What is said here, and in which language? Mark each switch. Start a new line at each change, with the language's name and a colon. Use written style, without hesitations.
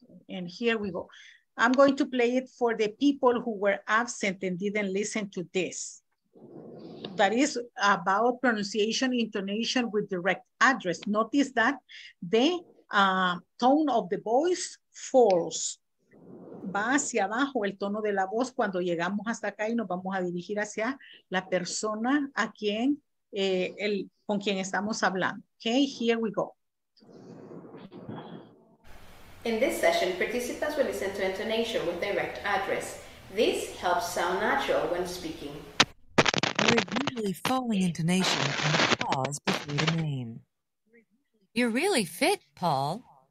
English: And here we go. I'm going to play it for the people who were absent and didn't listen to this. That is about pronunciation, intonation with direct address. Notice that the tone of the voice falls.
Spanish: Va hacia abajo el tono de la voz cuando llegamos hasta acá y nos vamos a dirigir hacia la persona a quien, con quien estamos hablando.
English: Okay, here we go. In this session, participants will listen to intonation with direct address. This helps sound natural when speaking. You're usually falling intonation and pause before the name. You're really fit, Paul.